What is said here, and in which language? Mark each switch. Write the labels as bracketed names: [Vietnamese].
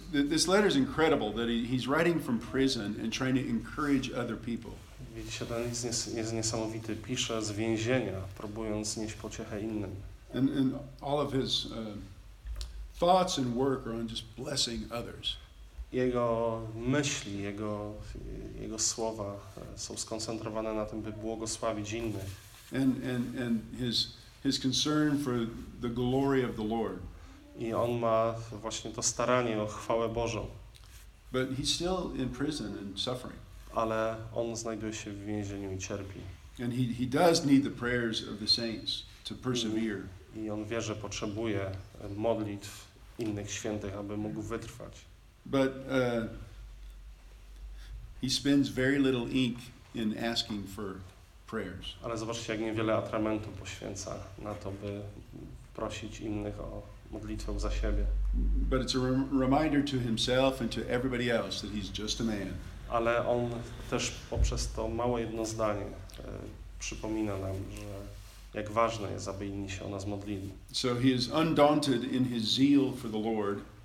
[English] This letter is incredible that he's writing from prison and trying to encourage other people. [Polish] Widzicie, ten list jest niesamowity. Pisze z więzienia, próbując nieść pociechę innym. [English] And all of his thoughts and work are on just blessing others. [Polish] Jego myśli, jego słowa są skoncentrowane na tym, by błogosławić innych. [English] And his concern for the glory of the Lord. [Polish] I on ma właśnie to staranie o chwałę Bożą. [English] But he's still in prison and suffering. [Polish] Ale on znajduje się w więzieniu i cierpi. [English] And he does need the prayers of the saints to persevere. [Polish] I on wie, że potrzebuje modlitw innych świętych, aby mógł wytrwać. [English] But he spends very little ink in asking for prayers. [Polish] Ale zobaczcie, jak niewiele atramentu poświęca na to, by prosić innych o modlitwę za siebie. [English] But it's a reminder to himself and to everybody else that he's just a man. [Polish] Ale on też poprzez to małe jedno zdanie przypomina nam, że jak ważne jest, aby inni się o nas modlili. [English] So he is undaunted in his zeal for the Lord.